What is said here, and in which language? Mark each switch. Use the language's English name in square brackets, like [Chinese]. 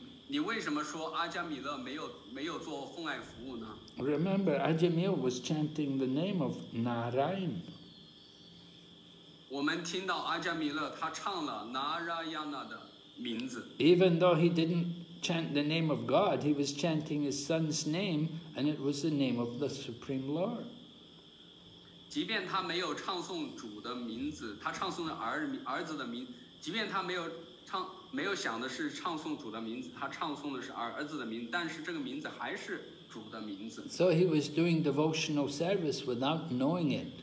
[Chinese] 你为什么说阿加米勒没有做奉爱服务呢？ [English] Remember, Ajamil was chanting the name of Narayan. [Chinese] 我们听到阿加米勒他唱了 Narayana 的名字。 [English] Even though he didn't chant the name of God, he was chanting his son's name, and it was the name of the Supreme Lord. [Chinese] 即便他没有唱诵主的名字，他唱诵了儿子的名，即便他没有唱。没有想的是唱诵主的名字，他唱诵的是儿子的名字，但是这个名字还是主的名字。 [English] So he was doing devotional service without knowing it.